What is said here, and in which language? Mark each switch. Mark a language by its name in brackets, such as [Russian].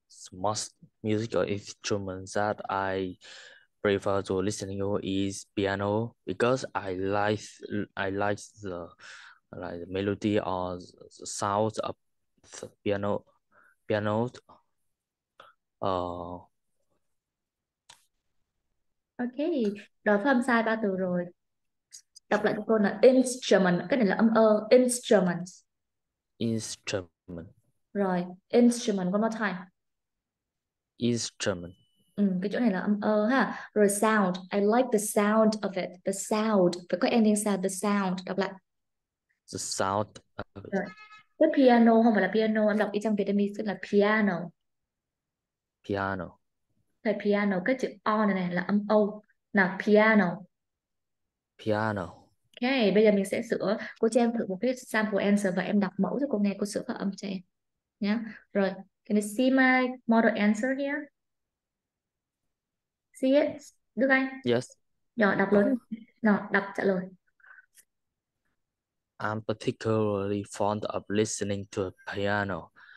[English] Most musical instruments that I prefer to listen to is piano, because I like the melody or the sound of the piano. [Vietnamese] Okay, đó phải âm sai ba từ rồi. Đọc lại cho cô là instrument, cái này là âm ơ, instrument. [English] Instrument. Rồi, instrument one more time. Instrument. [Vietnamese] Ừ, cái chỗ này là âm ơ ha. [English] Rồi sound, I like the sound of it. The sound, [Vietnamese] phải có [English] ending sound, the sound. [Vietnamese] Đọc lại. [English] The sound of it. [Vietnamese] Rồi. Cái piano không phải là piano, em đọc ý trong Vietnamese là piano. [English] Piano. [Vietnamese] Thầy piano, cái chữ O này này là âm O. Nào, piano. [English] Piano. [Vietnamese] Okay, bây giờ mình sẽ sửa. Cô cho em thử một cái sample answer và em đọc mẫu cho cô nghe cô sửa phát âm cho em. Nhá. [English] Rồi, can you see my model answer here? See it, Đức Anh? Yes. [Vietnamese] Nhỏ, đọc lớn. Nào, đọc trả lời. [English] I'm particularly fond of listening to a piano.